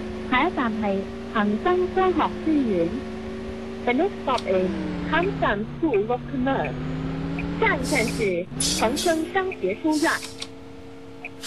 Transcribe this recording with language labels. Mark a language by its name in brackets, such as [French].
[Chinese] 下一站是恒生商学书院。 [English] The next stop is 恒生 School of Commerce。 [Chinese] 下一站是恒生商学书院。